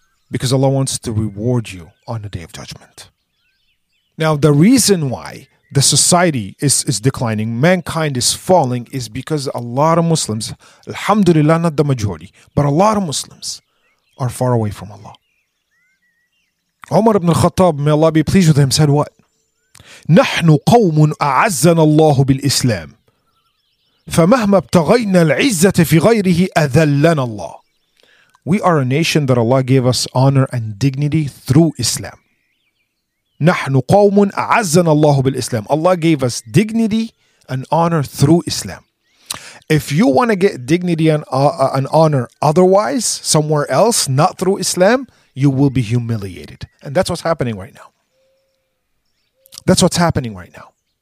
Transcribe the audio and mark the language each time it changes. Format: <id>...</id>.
<en>Because Allah wants to reward you on the Day of Judgment. Now, the reason why the society is declining, mankind is falling, is because a lot of Muslims, alhamdulillah, not the majority, but a lot of Muslims are far away from Allah. Umar ibn al-Khattab, may Allah be pleased with him, said what?</en> <ar>نحن قوم أعزنا الله بالإسلام فمهما ابتغينا العزة في غيره أذلنا الله.</ar> <en>We are a nation that Allah gave us honor and dignity through Islam.</en> <ar>نحن قوم أعزنا الله بالإسلام.</ar> <en>Allah gave us dignity and honor through Islam. If you want to get dignity and honor otherwise, somewhere else, not through Islam, you will be humiliated. And that's what's happening right now. That's what's happening right now.</en>